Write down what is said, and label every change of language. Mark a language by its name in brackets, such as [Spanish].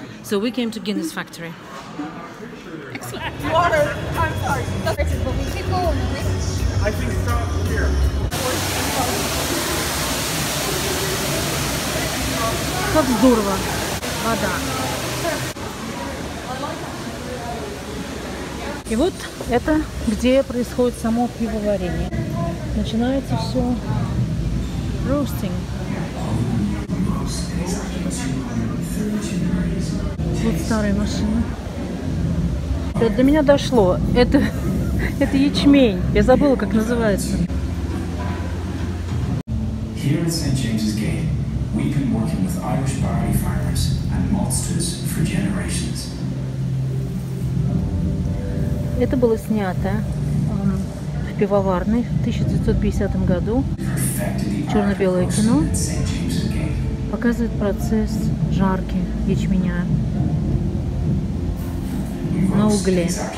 [English] So we came to Guinness Factory. Water. I'm sorry. But we can go on the beach. I can stop here. [Russian] Как здорово. Вода. И вот это, где происходит само пивоварение. Начинается все roasting. Вот старая машина. До меня дошло. Это ячмень. Я забыла, как называется. [English] Here at St. James's Gate, we've been working with Irish barley farmers and maltsters for generations. [Russian] Это было снято в пивоварной в 1950 году. Черно-белое кино показывает процесс жарки ячменя на угле.